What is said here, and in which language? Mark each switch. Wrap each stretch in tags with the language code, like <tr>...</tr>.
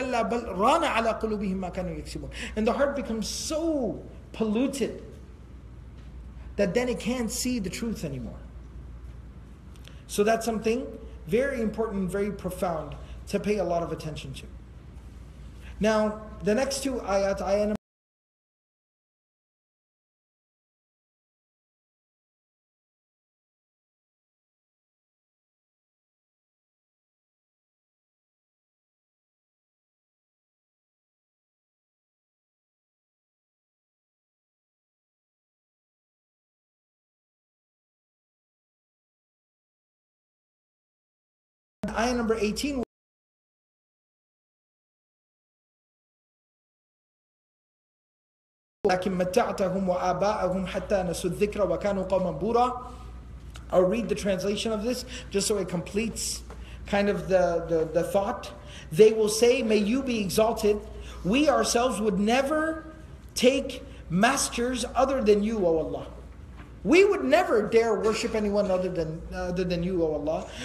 <ar>كَلَّا بَلْ رَانَ عَلَىٰ قُلُوبِهِمْ مَا كَانُوا يَكْسِبُونَ.</ar> <en>And the heart becomes so polluted that then it can't see the truth anymore. So that's something very important, very profound to pay a lot of attention to. Now, the next two ayat, ayat number 18,</en> <ar>لكن متعتهم وآباءهم حتى نسوا الذكر وكانوا قوما بورا.</ar> <en>I'll read the translation of this just so it completes kind of the thought. They will say, may you be exalted. We ourselves would never take masters other than you, O Allah. We would never dare worship anyone other than you, O Allah.</en>